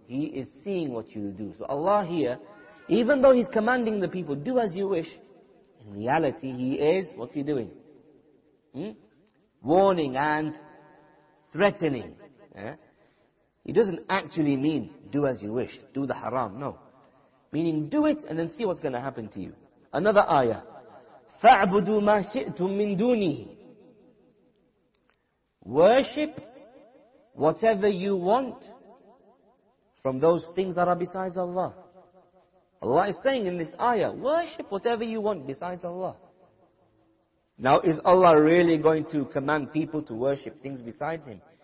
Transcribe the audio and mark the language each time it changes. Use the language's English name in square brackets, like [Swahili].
[English] He is seeing what you do. So Allah here, even though He's commanding the people, do as you wish, in reality, He is, what's He doing? Warning and threatening. Yeah? He doesn't actually mean, do as you wish, do the haram, no. Meaning, do it and then see what's going to happen to you. Another ayah, [Arabic] فَعْبُدُوا مَا شِئْتُمْ مِنْ دُونِهِ. [English] Worship whatever you want from those things that are besides Allah. Allah is saying in this ayah, worship whatever you want besides Allah. Now, is Allah really going to command people to worship things besides Him?